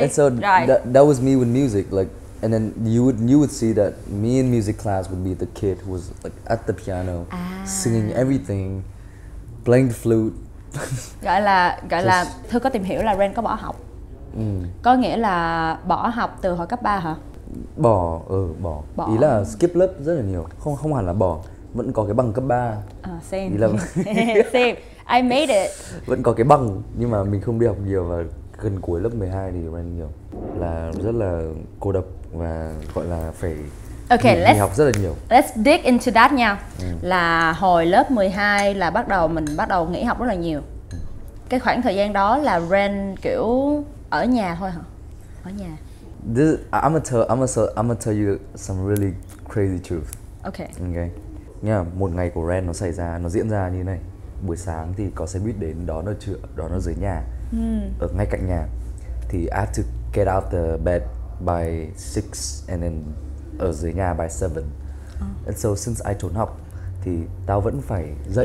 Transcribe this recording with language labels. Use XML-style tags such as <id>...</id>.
<en>And so that was me with music, like, and then you would see that me in music class would be the kid who was like at the piano, singing everything, playing the flute.</en> <vi>gọi là Thư có tìm hiểu là Ren có bỏ học. Có nghĩa là bỏ học từ hồi cấp 3 hả? Bỏ. Ý là skip lớp rất là nhiều. Không hẳn là bỏ, vẫn có cái bằng cấp 3.</vi> <en>Same. Same. I made it.</en> <vi>Vẫn có cái bằng nhưng mà mình không đi học nhiều và gần cuối lớp 12 thì Ren nhiều là rất là cô độc và gọi là phải</vi> <en>okay,</en> <vi>đi học rất là nhiều.</vi> <en>Let's dig into that nha.</en> <vi>Là hồi lớp 12 là bắt đầu nghỉ học rất là nhiều. Cái khoảng thời gian đó là Ren kiểu ở nhà thôi hả? Ở nhà.</vi> <en>I'm gonna tell you some really crazy truth. Okay. Okay.</en> <vi>Nha, một ngày của Ren nó diễn ra như thế này. Buổi sáng thì có xe buýt đến đón ở dưới nhà, ở ngay cạnh nhà. Thì</vi> <en>I have to get out the bed by 6 and then</en> <vi>ở dưới nhà</vi> <en>by 7. And so since I</en> <vi>trốn học thì tao vẫn phải dậy.</vi>